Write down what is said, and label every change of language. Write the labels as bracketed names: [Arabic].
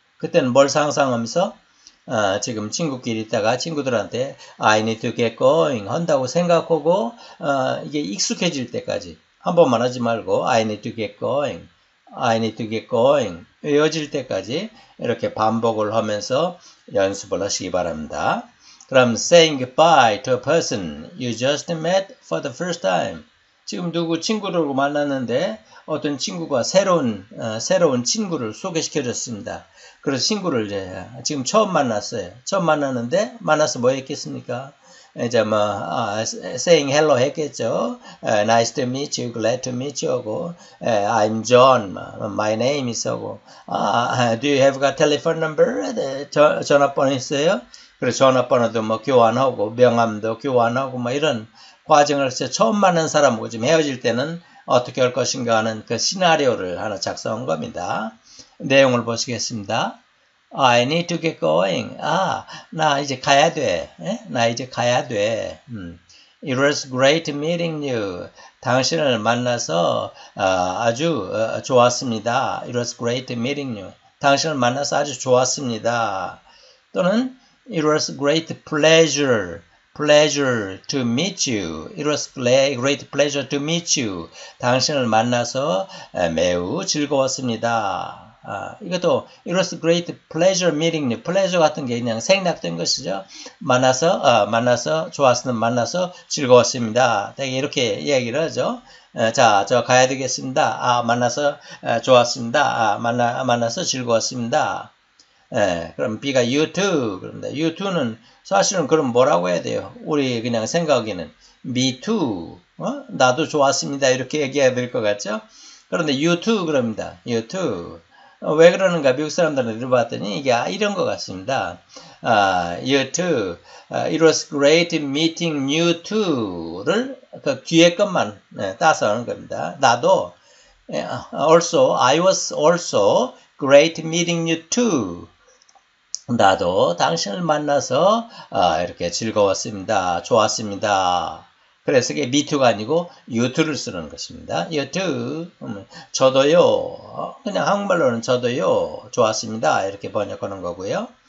[Korean] 그때는 뭘 상상하면서 지금 친구끼리 있다가 친구들한테 [English] I need to get going [Korean] 한다고 생각하고 이게 익숙해질 때까지 한 번만 하지 말고 I need to get going. [English] I need to get going. [Korean] 이어질 때까지 이렇게 반복을 하면서 연습을 하시기 바랍니다. [English] From saying goodbye to a person you just met for the first time. [Korean] 지금 누구 친구를 만났는데 어떤 친구가 새로운 친구를 소개시켜줬습니다. 그래서 친구를 이제 지금 처음 만났어요. 처음 만났는데 만나서 뭐 했겠습니까? 이제 뭐 [English] saying hello [Korean] 했겠죠. [English] Nice to meet you, glad to meet you 하고 I'm John, my name is 하고 do you have a telephone number? [Korean] 전화번호 있어요? 그래서 전화번호도 뭐 교환하고 명함도 교환하고 뭐 이런 과정을 해서 처음 만난 사람하고 지금 헤어질 때는 어떻게 할 것인가 하는 그 시나리오를 하나 작성한 겁니다. 내용을 보시겠습니다. [English] I need to get going. [Korean] 아, 나 이제 가야 돼. 에? 나 이제 가야 돼. [English] It was great meeting you. [Korean] 당신을 만나서 아주 좋았습니다. [English] It was great meeting you. [Korean] 당신을 만나서 아주 좋았습니다. [English] 또는 It was great pleasure to meet you. It was great pleasure to meet you. [Korean] 당신을 만나서 매우 즐거웠습니다. 이것도 [English] It was great pleasure meeting you. [Korean] pleasure 같은 게 그냥 생략된 것이죠. 만나서 좋았으면 만나서 즐거웠습니다. 되게 이렇게 얘기를 하죠. 자, 저 가야 되겠습니다. 만나서 좋았습니다. 만나서 즐거웠습니다. 예, 그럼 B가 U2, 그런데 U2는 사실은 그럼 뭐라고 해야 돼요? 우리 그냥 생각에는 [English] Me too, [Korean] 나도 좋았습니다. 이렇게 얘기해야 될것 같죠? 그런데 U2 그럽니다. U2. 왜 그러는가? 미국 사람들은 들어봤더니 이게 이런 것 같습니다. [English] U2, it was great meeting you too를 [Korean] 그 뒤에 것만 따서 하는 겁니다. [English] 나도, also, I was also great meeting you too. [Korean] 나도 당신을 만나서 이렇게 즐거웠습니다. 좋았습니다. 그래서 이게 미투가 아니고 유투를 쓰는 것입니다. 유투. 저도요. 그냥 한국말로는 저도요. 좋았습니다. 이렇게 번역하는 거고요.